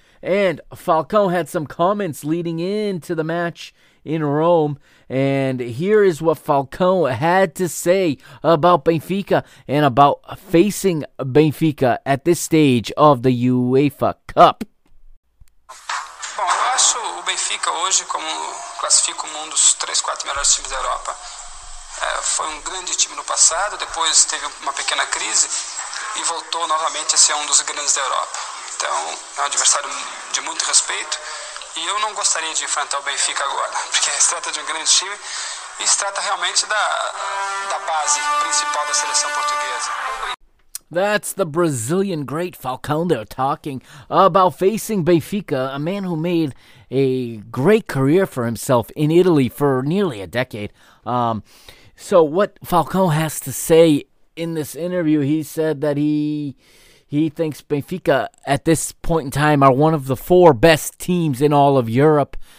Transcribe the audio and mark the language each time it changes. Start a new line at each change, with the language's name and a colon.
English: And Falcão had some comments leading into the match in Rome. And here is what Falcão had to say about Benfica and about facing Benfica at this stage of the UEFA Cup.
Portuguese: Benfica hoje, como classifica um dos 3, 4 melhores times da Europa, foi um grande time no passado, depois teve uma pequena crise e voltou novamente a ser um dos grandes da Europa. Então é um adversário de muito respeito e eu não gostaria de enfrentar o Benfica agora, porque se trata de um grande time e se trata realmente da base principal da seleção portuguesa.
English: That's the Brazilian great Falcão there talking about facing Benfica, a man who made a great career for himself in Italy for nearly a decade. So what Falcão has to say in this interview, he said that he thinks Benfica at this point in time are one of the four best teams in all of Europe.